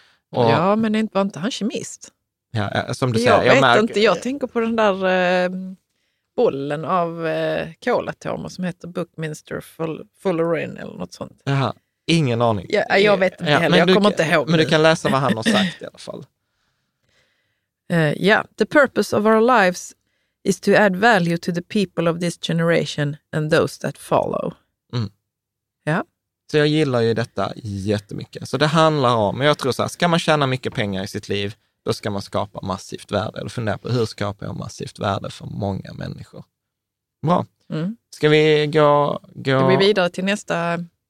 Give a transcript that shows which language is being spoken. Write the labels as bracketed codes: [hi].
[sv] Och, ja, men var inte han kemist? Ja, som du säger. Jag tänker på den där bollen av kolatomer som heter Buckminster Fullerene eller något sånt. Jaha, ingen aning. Ja, jag vet inte heller, jag kommer inte ihåg. Men du kan läsa vad han har sagt i alla fall. [en] Yeah, the purpose of our lives is to add value to the people of this generation and those that follow. Mm. Yeah. [sv] Så jag gillar ju detta jättemycket. Så det handlar om, jag tror så här, ska man tjäna mycket pengar i sitt liv, då ska man skapa massivt värde. Eller fundera på hur skapar jag massivt värde för många människor. Bra. Mm. Ska vi gå ska vi vidare till nästa,